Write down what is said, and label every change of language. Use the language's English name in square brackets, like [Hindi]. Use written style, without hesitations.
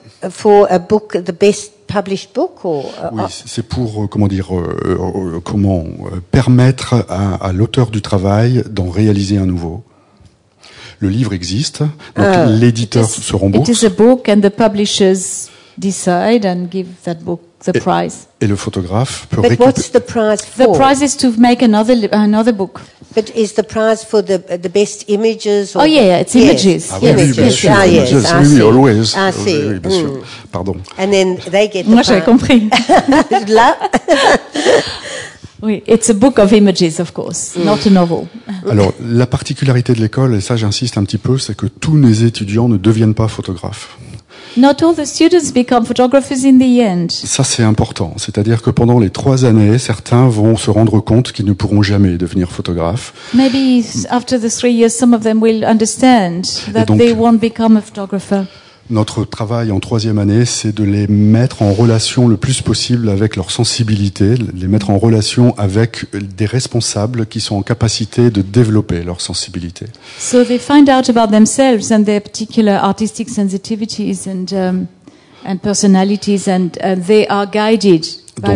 [English] For a book, the best published book, or [French] oui, c'est pour comment dire, comment permettre à l'auteur du travail d'en réaliser un nouveau. Le livre existe, donc l'éditeur se rembourse. [English] It is a book, and the publishers decide and give that book the prize. [French] Et le photographe peut. [English] But what's the prize for? The prize is to make another book. But is the prize for the best images? Or oh yeah, it's images. Yes, ah, oui, always. I see. [French] Oui, bien sûr. Pardon. [English] And then they get. The [French] moi, j'avais compris. Là. [English] Oui, it's a book of images, of course, not a novel. [French] Alors, la particularité de l'école, et ça, j'insiste un petit peu, c'est que tous les étudiants ne deviennent pas photographes. [English] Not all the students become photographers in the end. [French] Ça, c'est important. C'est-à-dire que pendant les trois années, certains vont se rendre compte qu'ils ne pourront jamais devenir photographes. [English] Maybe after the three years, some of them will understand that [French] donc, [English] they won't become a photographer. [French] Notre travail en troisième année, c'est de les mettre en relation le plus possible avec leur sensibilité, les mettre en relation avec des responsables qui sont en capacité de développer leur sensibilité. [English] So they find out about themselves and their particular artistic sensitivities and personalities, and they are guided by